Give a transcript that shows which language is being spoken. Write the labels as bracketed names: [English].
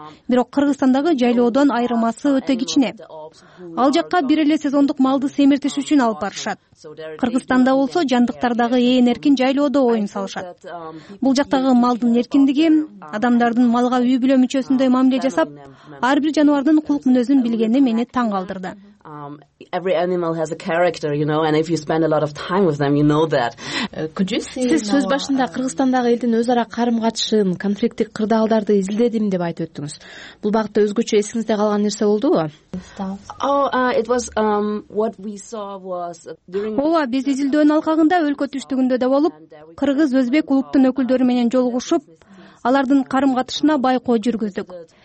[Kyrgyz] Бирок Кыргызстандагы жайлоодон айырмасы өтө кичине. Ал жакка бир эле сезондук малды семиртиш үчүн алып барышат. Кыргызстанда болсо жандыктардагы ээн эркин жайлоодо оюн салышат. Бул жактагы малдын эркиндиги, адамдардын малга үй бүлө мүчөсүндөй мамиле жасап, ар бир жаныбардын кулук мүнөзүн билгени мени таң калтырды. [English] Every animal has a character, you know, and if you spend a lot of time with them, you know that. Could you see? [Kyrgyz] Сиз сөз башында Кыргызстандагы элдин өз ара карым-катышын, конфликттик кырдаалдарды изилдедим деп айтып өттүңүз. Бул багытта өзгөчө эсиңизде калган нерсе болдубу? [English] What we saw was during [Kyrgyz] Ооба, биз изилдөөнүн алкагында өлкө түштүгүндө да болуп, кыргыз-өзбек улуттун өкүлдөрү менен жолугушуп, алардын карым-катышына байкоо жүргүздүк.